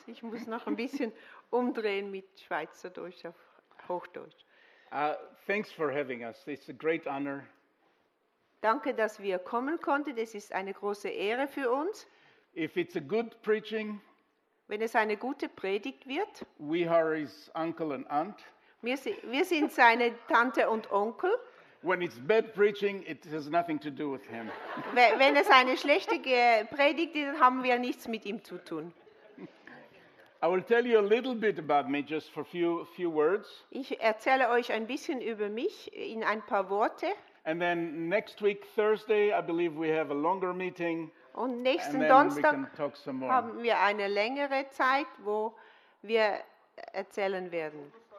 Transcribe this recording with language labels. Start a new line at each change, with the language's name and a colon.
German: Ich muss noch ein bisschen umdrehen mit Schweizerdeutsch auf Hochdeutsch.
English: Thanks for having us. It's a great honor.
German: Danke, dass wir kommen konnten. Es ist eine große Ehre für uns.
English: If it's a good preaching,
German: wenn es eine gute Predigt wird,
English: we are his uncle and aunt.
German: Wir sind seine Tante und Onkel.
English: When it's bad preaching, it has nothing to do with him.
German: Wenn es eine schlechte Predigt ist, haben wir nichts mit ihm zu tun.
English: I will tell you a little bit about me, just for few words.
German: Ich erzähle euch ein bisschen über mich in ein paar Worte.
English: And then next week, Thursday, I believe we have a longer meeting.
German: Und nächsten Donnerstag haben wir eine längere Zeit, wo wir erzählen werden.